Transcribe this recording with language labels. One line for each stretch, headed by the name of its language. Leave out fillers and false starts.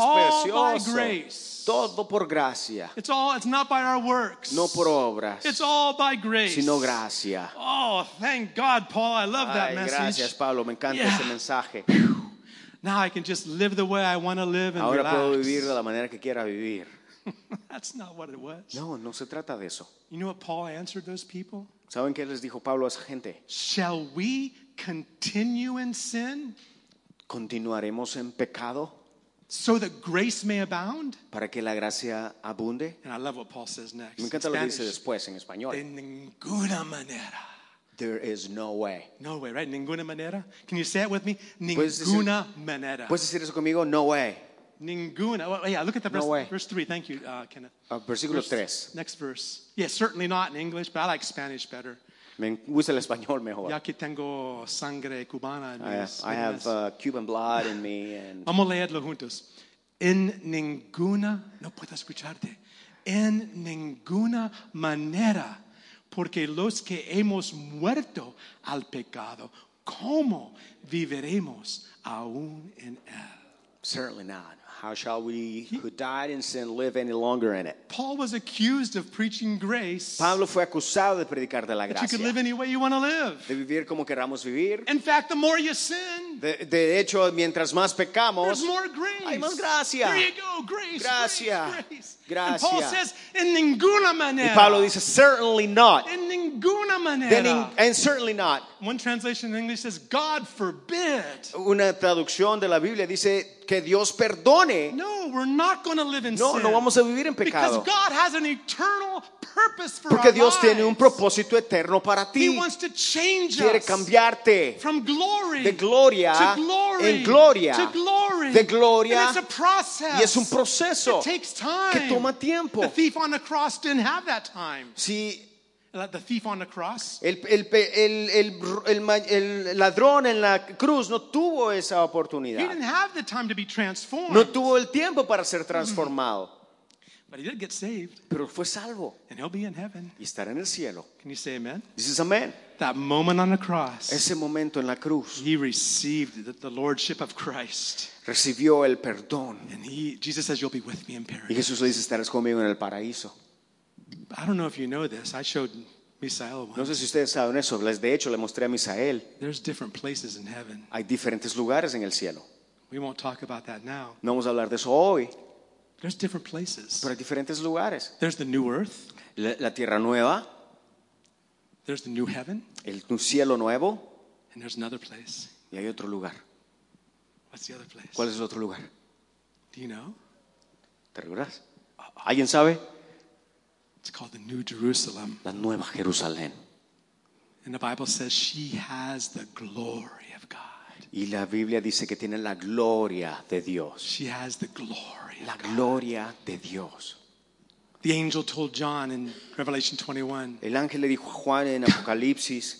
English: all
Spanish: precioso.
English: All by grace.
Spanish: Todo por gracia.
English: It's not by our works.
Spanish: No por obras.
English: It's all by grace.
Spanish: Sino gracia.
English: Oh, thank God, Paul, I love
Spanish: Ay,
English: that message.
Spanish: Gracias, Pablo, me encanta yeah. ese mensaje.
English: Now I can just live the way I want to live and
Spanish: Ahora
English: relax.
Spanish: Puedo vivir de la manera que quiera vivir.
English: That's not what it was.
Spanish: No, no se trata de eso.
English: You know what Paul answered those people?
Spanish: ¿Saben qué les dijo Pablo a esa gente?
English: Shall we continue in sin?
Spanish: ¿Continuaremos en pecado?
English: So that grace may abound?
Spanish: Para que la gracia abunde.
English: And I love what Paul says next.
Spanish: Me encanta
English: in
Spanish: lo
English: Spanish,
Spanish: que dice después en español. De ninguna manera.
English: There is no way. No way, right?
Spanish: Ninguna manera.
English: Can you say it with me? Ninguna manera.
Spanish: ¿Puedes decir eso conmigo?
English: No way. Ninguna. Well, yeah, look at the verse, no way. Verse 3. Thank you, Kenneth.
Spanish: Versículo 3.
English: Next verse. Yeah, certainly not in English, but I like Spanish better.
Spanish: Me gusta el español mejor. Ya que tengo sangre cubana en
English: I have Cuban blood in me. And...
Spanish: Vamos a leerlo juntos. En ninguna, no puedo escucharte. En ninguna manera, porque los que hemos muerto al pecado, ¿cómo viviremos aún en él?
English: Certainly not. How shall we who died in sin live any longer in it? Paul was accused of preaching grace.
Spanish: Pablo fue acusado de predicar de la gracia.
English: That you could live any way you want to live.
Spanish: De vivir como queramos vivir.
English: In fact, the more you sin,
Spanish: de hecho, mientras más pecamos,
English: there's more grace.
Spanish: Hay más gracia.
English: There you go, grace,
Spanish: gracia.
English: Grace, grace. Gracia. And Paul says, in
Spanish: ninguna manera. Y Pablo dice,
English: certainly not.
Spanish: In ninguna manera.
English: And certainly not. One translation in English says, God forbid.
Spanish: Una traducción de la Biblia dice, que Dios perdone.
English: No, we're not going to live in
Spanish: no,
English: sin.
Spanish: No vamos a vivir en pecado.
English: Because God has an eternal purpose for
Spanish: Porque
English: our
Spanish: Dios
English: lives.
Spanish: Tiene un propósito eterno para ti.
English: He wants to change
Spanish: Quiere cambiarte
English: us from glory
Spanish: de gloria
English: to glory
Spanish: en gloria
English: to glory.
Spanish: De gloria
English: And it's a process.
Spanish: Y es un proceso
English: It takes time.
Spanish: Que toma tiempo.
English: The thief on the cross didn't have that time.
Spanish: Si
English: The thief on the cross.
Spanish: El ladrón en la cruz no tuvo esa oportunidad.
English: He didn't have the time to be transformed.
Spanish: No tuvo el tiempo para ser transformado.
English: But he did get saved.
Spanish: Pero fue salvo.
English: And he'll be in heaven.
Spanish: Y estará en el cielo.
English: Can you say amen? This is amen. That moment on the cross.
Spanish: Ese momento en la cruz.
English: He received the lordship of Christ.
Spanish: Recibió el perdón.
English: And Jesus says, "You'll be with me in paradise."
Spanish: Y Jesús le dice, "Estarás conmigo en el paraíso."
English: I don't know if you know this. I showed Misael one.
Spanish: No sé si ustedes saben eso. De hecho, le mostré a Misael.
English: There's different places in heaven.
Spanish: Hay diferentes lugares en el cielo.
English: We won't talk about that now.
Spanish: No vamos a hablar de eso hoy.
English: There's different places.
Spanish: Pero hay diferentes lugares.
English: There's the new earth.
Spanish: La tierra nueva.
English: There's the new heaven.
Spanish: El cielo nuevo.
English: And there's another place.
Spanish: Y hay otro lugar.
English: What's the other place?
Spanish: ¿Cuál es el otro lugar?
English: Do you know?
Spanish: ¿Te recuerdas? ¿Alguien sabe?
English: It's called the New Jerusalem.
Spanish: La Nueva Jerusalén.
English: And the Bible says she has the glory of God.
Spanish: Y la Biblia dice que tiene la gloria de Dios.
English: She has the glory of God.
Spanish: La gloria de Dios.
English: The angel told John in Revelation 21.
Spanish: El ángel le dijo a Juan en Apocalipsis.